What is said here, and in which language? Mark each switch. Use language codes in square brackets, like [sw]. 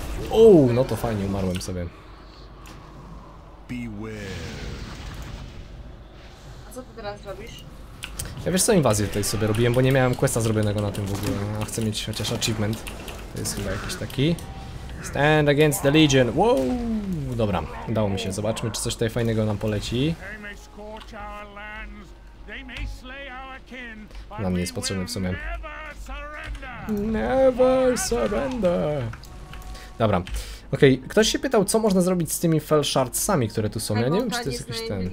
[pl] Uuu, no to fajnie, umarłem sobie. Beware. A co ty teraz robisz? Ja wiesz co, inwazję tutaj sobie robiłem, bo nie miałem questa zrobionego na tym w ogóle, a chcę mieć chociaż achievement. To jest chyba jakiś taki. [en] Stand against the Legion, wow! [pl] Dobra, udało mi się, zobaczmy czy coś tutaj fajnego nam poleci. Nam nie jest potrzebny w sumie. [en] Never surrender! [pl] Dobra. Okej, okay. Ktoś się pytał, co można zrobić z tymi fel shardsami, które tu są, ja nie wiem czy to jest jakiś ten...